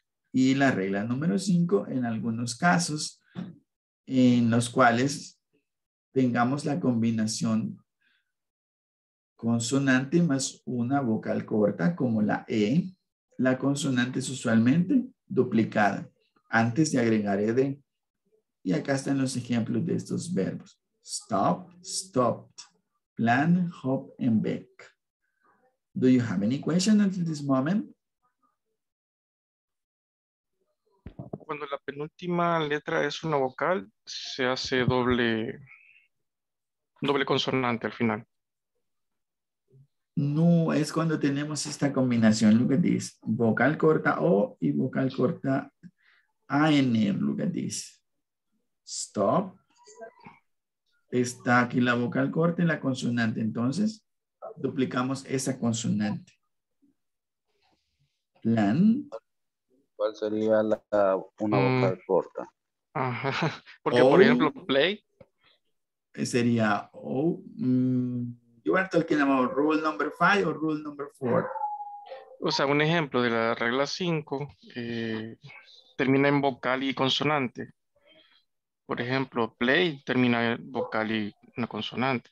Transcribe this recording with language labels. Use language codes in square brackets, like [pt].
[es] Y la regla número 5, en algunos casos en los cuales tengamos la combinación consonante más una vocal corta como la E, la consonante es usualmente duplicada antes de agregar ed. Y acá están los ejemplos de estos verbos. [en] Stop, stopped, plan, hop, and beg. Do you have any questions until this moment? [es] Cuando la penúltima letra es una vocal, se hace doble consonante al final. No, es cuando tenemos esta combinación, [en] look at this. [es] Vocal corta O y vocal corta AN, [en] look at this. [es] Stop. está aquí la vocal corta y la consonante. Entonces, duplicamos esa consonante. [en] Plan. [es] ¿Cuál sería una vocal corta? Ajá. Porque, por ejemplo, play. [en] Sería, you are talking about rule number 5 or rule number 4. [es] O sea, un ejemplo de la regla 5 termina en vocal y consonante. Por ejemplo, play termina en vocal y una consonante.